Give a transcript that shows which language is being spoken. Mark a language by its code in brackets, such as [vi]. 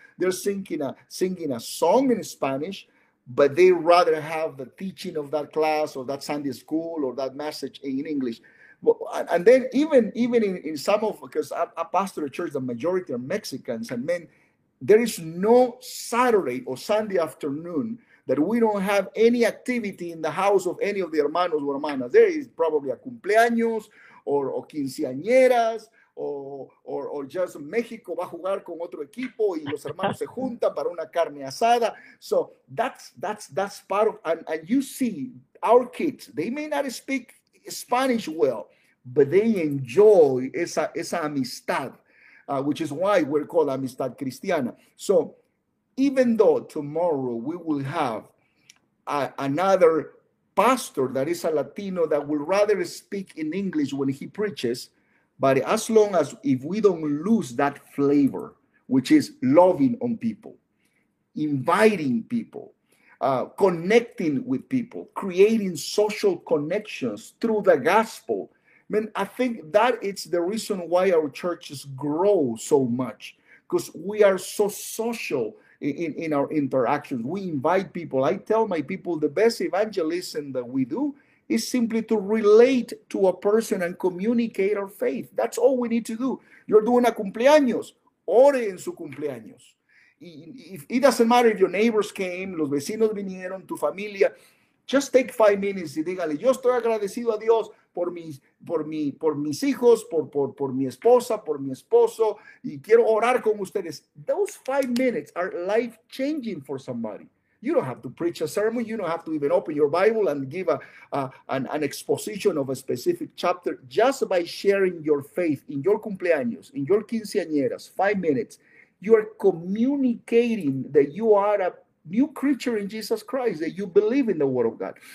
[en] They're singing a song in Spanish, but they rather have the teaching of that class or that Sunday school or that message in English. And then even in some of, because I pastor a church, the majority are Mexicans, and men, there is no Saturday or Sunday afternoon that we don't have any activity in the house of any of the hermanos or hermanas. There is probably a cumpleaños or quinceañeras or just [es] Mexico va a jugar con otro equipo y los hermanos se juntan para una carne asada. [en] So that's part of, and you see our kids, they may not speak Spanish well, but they enjoy [es] esa amistad, [en] which is why we're called Amistad Cristiana. So even though tomorrow we will have another pastor that is a Latino that will rather speak in English when he preaches, but as long as if we don't lose that flavor, which is loving on people, inviting people, connecting with people, creating social connections through the gospel, I think that it's the reason why our churches grow so much, because we are so social in our interactions. We invite people. I tell my people the best evangelism that we do is simply to relate to a person and communicate our faith. That's all we need to do. You're doing a cumpleaños, [es] ore en su cumpleaños. [en] It doesn't matter if your neighbors came, [es] los vecinos vinieron, tu familia. [en] Just take 5 minutes [es] y dígale, yo estoy agradecido a Dios por mis hijos, por mi esposa, por mi esposo, y quiero orar con ustedes. [en] Those 5 minutes are life-changing for somebody. You don't have to preach a sermon. You don't have to even open your Bible and give an exposition of a specific chapter. Just by sharing your faith in your cumpleaños, in your quinceañeras, 5 minutes, you are communicating that you are a new creature in Jesus Christ, that you believe in the word of God.